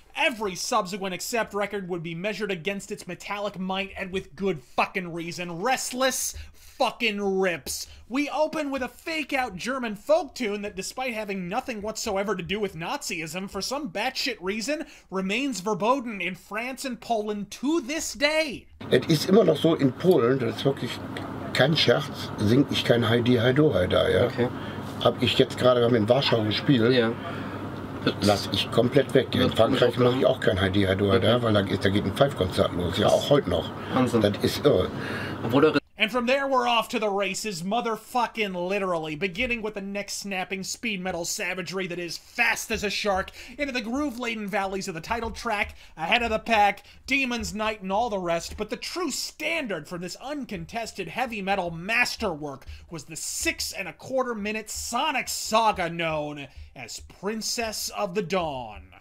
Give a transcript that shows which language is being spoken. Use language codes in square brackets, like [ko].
[en] Every subsequent Accept record would be measured against its metallic might, and with good fucking reason. Restless fucking rips. We open with a fake-out German folk tune that, despite having nothing whatsoever to do with Nazism, for some batshit reason, remains verboten in France and Poland to this day. It is [de] immer noch so in Polen, das ist wirklich kein Scherz, sing ich kein Heidi Heido Heida, ja? Okay. Hab ich jetzt gerade in Warschau gespielt. Ja. Lass ich komplett weg. In Frankreich mache ich auch kein Heidi Heido Heida, weil da geht ein Five-Konzert los. Ja, auch heute noch. Wahnsinn. Das ist irre. [en] And from there we're off to the races, motherfucking literally, beginning with the neck-snapping speed metal savagery that is fast as a shark, into the groove-laden valleys of the title track, Ahead of the Pack, Demon's Night, and all the rest, but the true standard for this uncontested heavy metal masterwork was the 6.25-minute Sonic saga known as Princess of the Dawn.